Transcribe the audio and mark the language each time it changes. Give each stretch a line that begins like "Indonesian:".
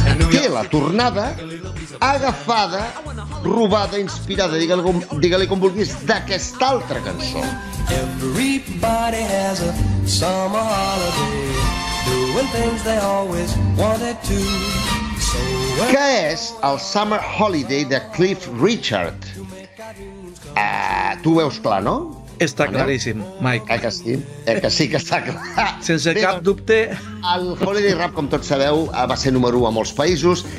Catalan: Té la tornada agafada, robada, inspirada, digue-li com vulguis, d'aquesta altra cançó.
English: Everybody has a summer holiday, doing things they always wanted to.
Catalan: Què és el Summer Holiday de Cliff Richard? Tu ho veus clar, no? Està claríssim, Mike. Que sí? Que sí que està clar. Sense cap dubte. El Holiday Rap, com tots sabeu, va ser número 1 a molts països.